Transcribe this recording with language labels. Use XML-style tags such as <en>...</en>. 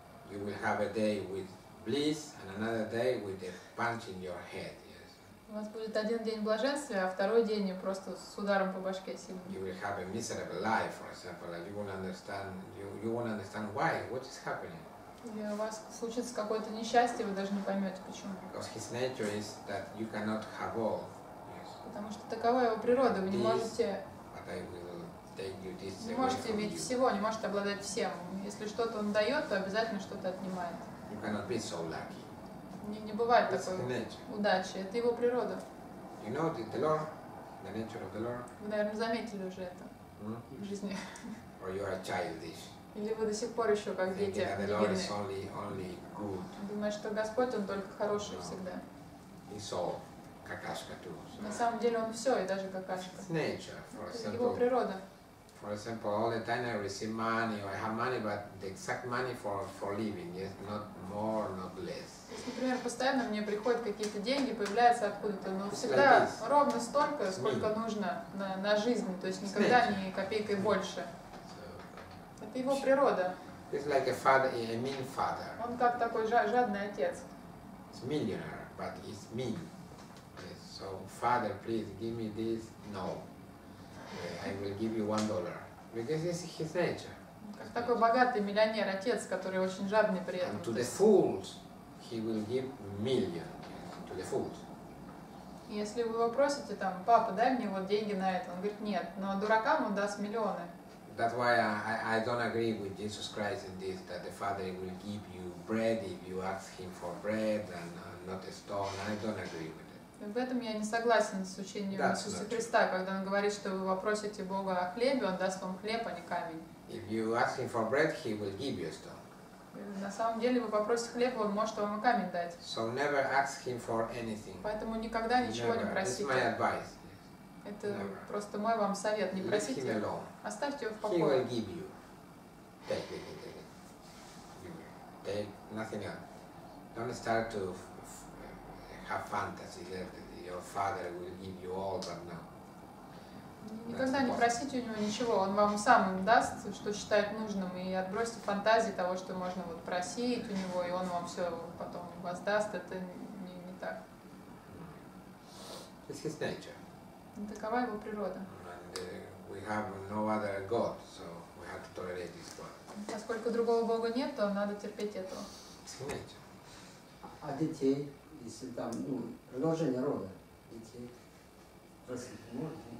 <en>You will have a day with bliss and another day with a punch in your head. Yes.</en> <ru>У вас будет один день блаженства, а второй день просто с ударом по башке сильно.</ru> <en>You will have a miserable life, for example, and you won't understand. You won't understand why. What is happening?</en> <ru>И у вас случится какое-то несчастье, вы даже не поймете почему.</ru> <en>Because his nature is that you cannot have all. Yes.</en> <ru>Потому что такова его природа. Вы не можете.</ru> <en>But I will.</en> <ru>Не можете иметь всего, не можете обладать всем. Если что-то он дает, то обязательно что-то отнимает.</ru> <en>You cannot be so lucky.</en> <ru>Не бывает такой удачи. Это его природа.</ru> <en>You know the law, the nature of the law.</en> <ru>Вы, наверное, заметили уже это в жизни.</ru> <en>Or you are childish.</en> <ru>Или вы до сих пор еще как дети.</ru> <en>The law is only good.</en> <ru>Думаете, что Господь, он только хороший всегда.</ru> <en>He's all. Какашка too.</en> <ru>На самом деле он все, и даже какашка.</ru> <en>Nature, for</en> <ru>его природа.</ru> <en>For example, all the time I receive money, or I have money, but the exact money for living, yes, not more, not less.</en> <ru>Например, постоянно мне приходят какие-то деньги, появляются откуда-то, но всегда ровно столько, сколько нужно на жизнь, то есть никогда ни копейкой больше. Это его природа.</ru> <en>He's like a father, a mean father.</en> <ru>Он как такой жадный отец.</ru> <en>He's millionaire, but he's mean. Yes. So, father, please give me this. No, I will give you $1, because this is his nature.</en> <ru>Как такой богатый миллионер отец, который очень жадный при этом.</ru> <en>And to the fools, he will give million to the fools.</en> <ru>Если вы его просите там, папа, дай мне вот деньги на это, он говорит нет, но дуракам он даст миллионы.</ru> <en>That's why I don't agree with Jesus Christ in this, that the Father will give you bread if you ask him for bread and not a stone. I don't agree with it.</en> <ru>В этом я не согласен с учением Иисуса Христа, когда он говорит, что вы попросите Бога о хлебе, он даст вам хлеб, а не камень.</ru> <en>If you ask him for bread, he will give you a stone.</en> <ru>На самом деле, вы попросите хлеб, он может вам и камень дать.</ru> <en>So never ask him for anything.</en> <ru>Поэтому никогда ничего</ru> <en>never.</en> <ru>Не просите.</ru> <en>This is my advice.</en> <ru>Это просто мой вам совет. Не просите, оставьте его в покое.</ru> <en>He will give you. Take. Nothing else. Don't start to have fantasy that your father will give you all, but no.</en> <ru>Никогда не просите у него ничего. Он вам сам даст, что считает нужным. И отбросьте фантазии того, что можно вот просить у него, и он вам все потом воздаст. Это не так. It's his nature. Такова его природа. And, we have no other God, so we have to tolerate this God. Поскольку другого Бога нет, то надо терпеть этого. Смотрите. А детей, если там, ну, продолжение рода, детей просить можно?</ru>